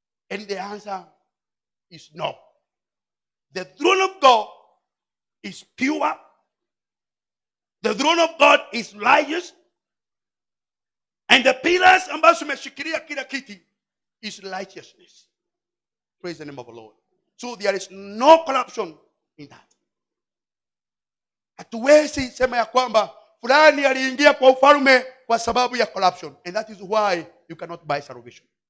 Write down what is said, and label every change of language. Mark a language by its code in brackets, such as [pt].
[en] And the answer is no. The throne of God is pure. The throne of God is righteous. And the pillars [sw] ambazo zimeshikilia kila kiti [en] is righteousness. Praise the name of the Lord. So there is no corruption in that. [sw] Hatuwezi sema ya kwamba fulani aliingia kwa ufalme kwa sababu ya corruption. [en] And that is why you cannot buy salvation.